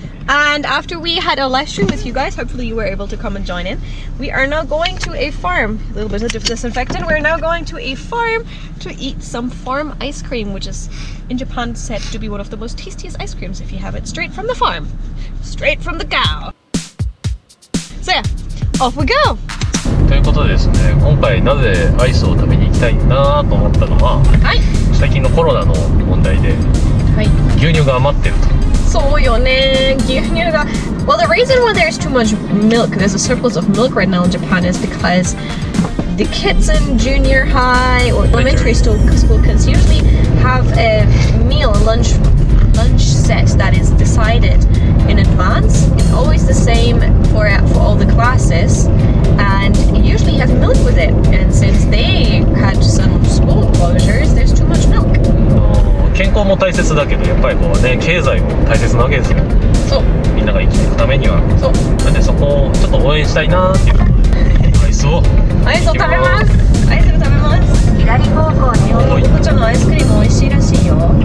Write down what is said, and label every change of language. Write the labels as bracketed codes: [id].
[en] And after we had a live stream with you guys, hopefully you were able to come and join in, we are now going to a farm. A little bit of disinfectant. We're now going to a farm to eat some farm ice cream, which is in Japan said to be one of the most tastiest ice creams if you have it straight from the farm. Straight from the cow! So yeah, off we go! [ja] ということですね、今回なぜアイスを食べに行きたいなと思ったのは、はい、最近のコロナの問題で、はい、牛乳が余ってると。そうよね、牛乳が。 [en] Well, the reason why there's too much milk, there's a surplus of milk right now in Japan is because the kids in junior high or elementary school kids usually have a meal, lunch set that is decided in advance. It's always the same for all the classes. And usually have milk with it. And since they had some school closures, there's too much milk. [ja] 健康も大切だけど、やっぱりこうね、経済も大切なわけですよ。そう。みんなが生きていくためには。そう。なんでそこをちょっと応援したいなっていうことで。アイスを食べます。アイスを食べます。左方向に。こちらのアイスクリーム美味しいらしいよ。